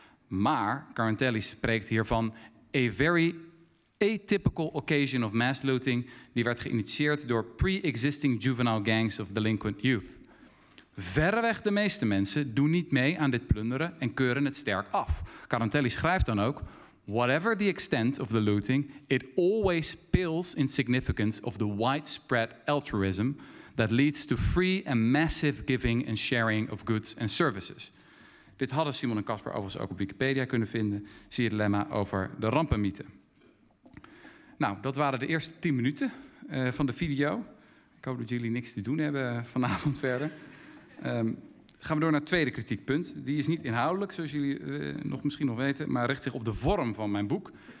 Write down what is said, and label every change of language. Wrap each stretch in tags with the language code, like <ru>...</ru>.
<nl>Maar Carantelli spreekt hier van</nl> <en>a very atypical occasion of mass looting</en> <nl>die werd geïnitieerd door</nl> <en>pre-existing juvenile gangs of delinquent youth.</en> <nl>Verreweg de meeste mensen doen niet mee aan dit plunderen en keuren het sterk af. Carantelli schrijft dan ook:</nl> <en>whatever the extent of the looting, it always pales in significance of the widespread altruism that leads to free and massive giving and sharing of goods and services.</en> <nl>Dit hadden Simon en Casper overigens ook op Wikipedia kunnen vinden. Zie het lemma over de rampenmythe. Nou, dat waren de eerste 10 minuten van de video. Ik hoop dat jullie niks te doen hebben vanavond verder. Gaan we door naar het tweede kritiekpunt. Die is niet inhoudelijk, zoals jullie misschien nog weten, maar richt zich op de vorm van mijn boek.</nl>